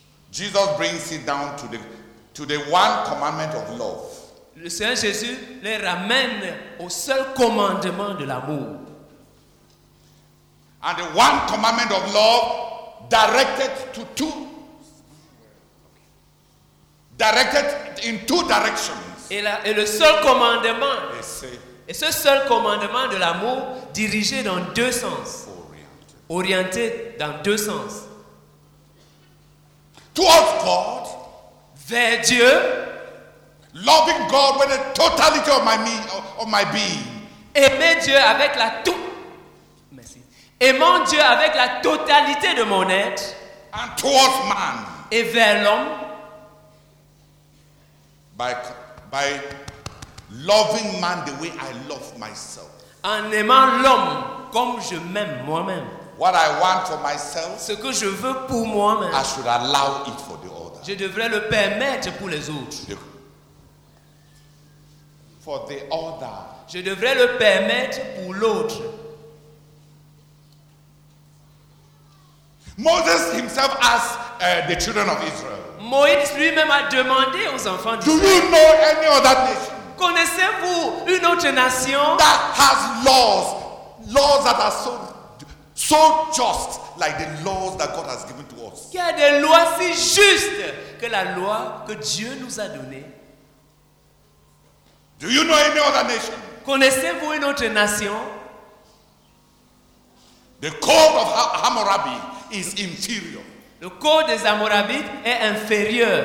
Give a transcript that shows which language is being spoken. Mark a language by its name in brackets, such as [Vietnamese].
[English] Jesus brings it down to the one commandment of love. [French] Le Seigneur Jésus les ramène au seul commandement de l'amour. [English] And the one commandment of love directed in two directions. [French] Et ce seul commandement de l'amour dirigé dans deux sens. Orienté dans deux sens. [English] Towards God. [French] Vers Dieu. [English] Loving God with the totality of my being. [French] Aimer Dieu avec la merci. Aimant Dieu avec la totalité de mon être. [English] And towards man. [French] Et vers l'homme. [English] By loving man the way I love myself. [French] En aimant l'homme comme je m'aime moi-même. [English] What I want for myself, [French] ce que je veux pour moi-même, [English] I should allow it for the other. [French] Je devrais le permettre pour les autres. [English] For the other. [French] Je devrais le permettre pour l'autre. [English] Moses himself asked the children of Israel. [French] Moïse lui-même a demandé aux enfants [English] d'Israël. Do you know any other nation? [French] Connaissez-vous une autre nation? [English] That has laws that are so just like the laws that God has given to us. [French] Qui a des lois si justes que la loi que Dieu nous a donnée? [English] Do you know any other nation? [French] Connaissez-vous une autre nation? [English] The code of Hammurabi is inferior. [French] Le code des Amorabites est inférieur.